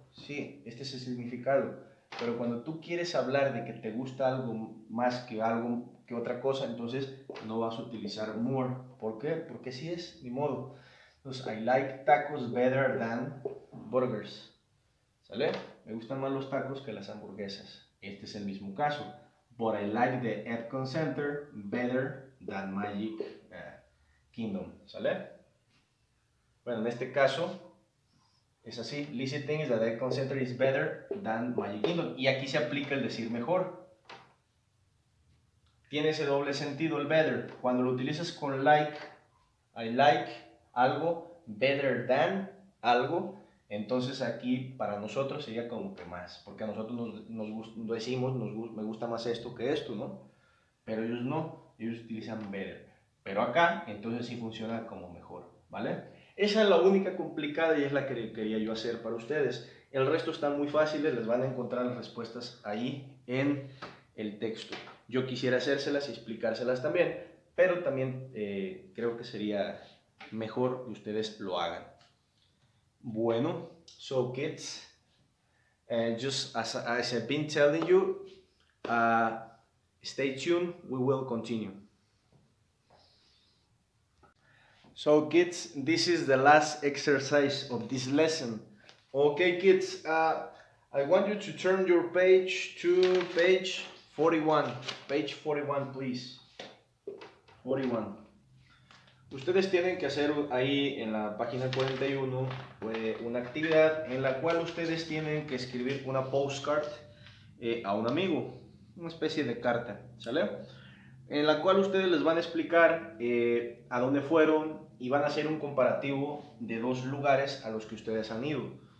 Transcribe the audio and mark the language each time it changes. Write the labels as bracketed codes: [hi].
[es] Sí, este es el significado. Pero cuando tú quieres hablar de que te gusta algo más que algo que otra cosa, entonces no vas a utilizar more. ¿Por qué? Porque sí es, ni modo. Entonces, [en] I like tacos better than burgers. [es] ¿Sale? Me gustan más los tacos que las hamburguesas. Este es el mismo caso. [en] But I like the Epcot Center better than Magic Kingdom. [es] ¿Sale? Bueno, en este caso, es así. [en] Lizzie thinks that the Epcot Center is better than Magic Kingdom. [es] Y aquí se aplica el decir mejor. Tiene ese doble sentido el better. Cuando lo utilizas con like, I like algo better than algo, entonces aquí para nosotros sería como que más, porque a nosotros nos decimos me gusta más esto que esto, ¿no? Pero ellos no, ellos utilizan better. Pero acá, entonces sí funciona como mejor, ¿vale? Esa es la única complicada y es la que quería yo hacer para ustedes. El resto están muy fáciles, les van a encontrar las respuestas ahí en el texto. Yo quisiera hacérselas y explicárselas también, pero también creo que sería mejor que ustedes lo hagan. [en] Bueno, so kids, just as I've been telling you, stay tuned, we will continue. So kids, this is the last exercise of this lesson. Okay kids, I want you to turn your page to page 41. Page 41, please. 41. [es] Ustedes tienen que hacer ahí en la página 41 una actividad en la cual ustedes tienen que escribir una postcard a un amigo, una especie de carta, ¿sale? En la cual ustedes les van a explicar a dónde fueron y van a hacer un comparativo de dos lugares a los que ustedes han ido.